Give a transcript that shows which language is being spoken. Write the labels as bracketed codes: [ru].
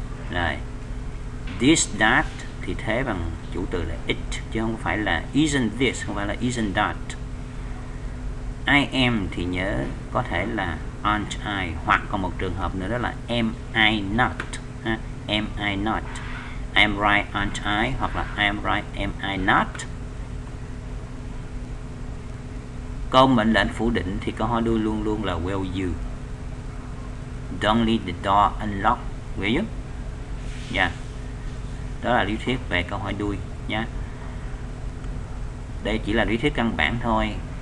[vi] Rồi this, that thì thế bằng chủ từ là it, chứ không phải là isn't this, không phải là isn't that. I am thì nhớ có thể là aren't I, hoặc còn một trường hợp nữa đó là am I not ha. [en] Am I not, I am right, aren't I, [vi] hoặc là [en] I am right, am I not. [vi] Câu mệnh lệnh phủ định thì câu hỏi đuôi luôn luôn là will you. [en] Don't leave the door unlocked, will you? [vi] Yeah. Đó là lý thuyết về câu hỏi đuôi nhé. Đây chỉ là lý thuyết căn bản thôi.